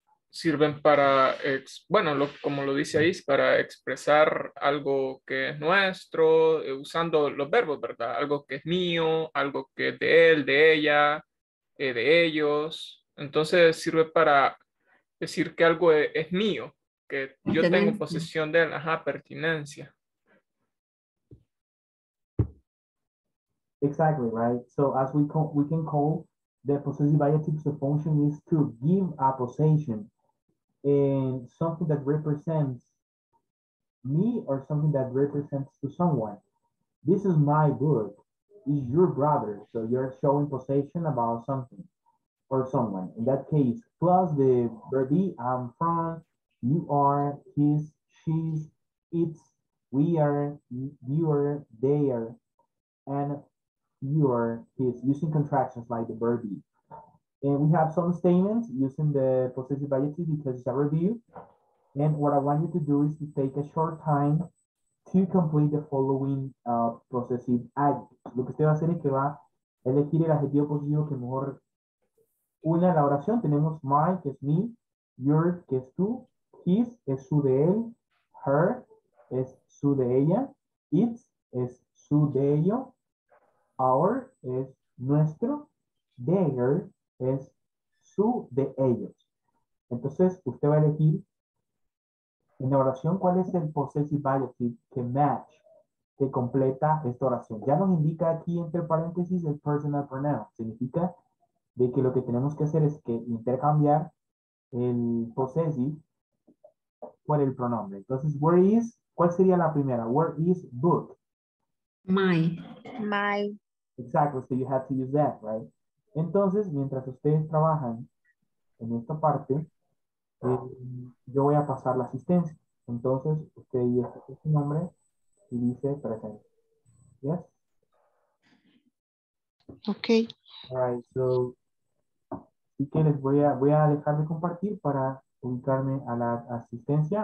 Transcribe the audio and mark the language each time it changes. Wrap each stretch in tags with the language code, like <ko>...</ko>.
<es>Sirven para, como lo dice ahí, para expresar algo que es nuestro, usando los verbos, ¿verdad? Algo que es mío, algo que es de él, de ella, de ellos. Entonces sirve para decir que algo es mío, que yo tengo posesión de él, pertinencia.</es> <en>Exactly, right? So as we can call the possessive adjective, the function is to give a possession and something that represents me or something that represents to someone. This is my book. It's your brother. So you're showing possession about something or someone. In that case, plus the verb be, I'm from, you are, his, she's, it's, we are, you are, they are, and you are, his, using contractions like the verb be. And we have some statements using the possessive adjective because it's a review. And what I want you to do is to take a short time to complete the following possessive adjectives.</en> <es>Lo que usted va a hacer es que va a elegir el adjetivo posesivo que mejor una la oración. Tenemos my, que es mi, your, que es tú, his, es su de él, her, es su de ella, it's, es su de ello, our, es nuestro, their, es su de ellos. Entonces, usted va a elegir en la oración cuál es el possessive adjective que match, que completa esta oración. Ya nos indica aquí entre paréntesis el personal pronoun. Significa de que lo que tenemos que hacer es que intercambiar el possessive por el pronombre. Entonces,</es> <en>where is,</en> <es>¿cuál sería la primera?</es> <en>Where is book? My. My. Exactly, so you have to use that, right?</en> <es>Entonces, mientras ustedes trabajan en esta parte, yo voy a pasar la asistencia. Entonces, usted y este es su nombre y dice presente.</es> <en>Yes? Okay. All right, so,</en> <es>si quieres, voy a dejar de compartir para ubicarme a la asistencia.</es>